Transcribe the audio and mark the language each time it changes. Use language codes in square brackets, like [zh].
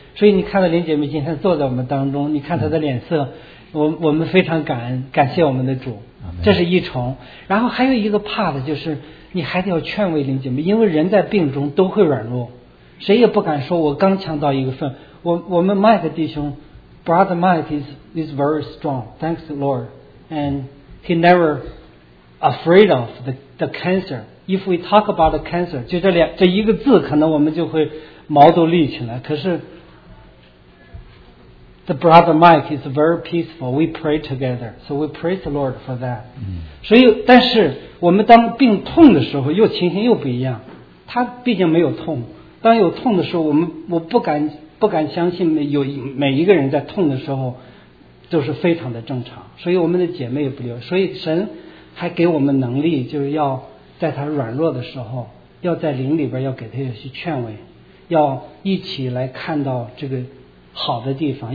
[zh] 所以你看到林姐妹今天坐在我们当中，你看她的脸色，我们非常感谢我们的主，这是一重。然后还有一个怕的就是你还得要劝慰林姐妹，因为人在病中都会软弱，谁也不敢说我刚强到一个份。我们 Mike 弟兄 [en] Brother Mike is very strong, thanks the Lord, and he never afraid of the cancer. If we talk about the cancer, [zh] 就这一个字可能我们就会毛都立起来，可是 [en] the Brother Mike is very peaceful, we pray together, so we praise the Lord for that. [zh] 所以但是我们当病痛的时候又情形又不一样，他毕竟没有痛，当有痛的时候我不敢相信每一个人在痛的时候都是非常的正常，所以我们的姐妹也不例外。所以神还给我们能力，就是要在他软弱的时候，要在灵里边要给他一些劝慰，要一起来看到这个好的地方。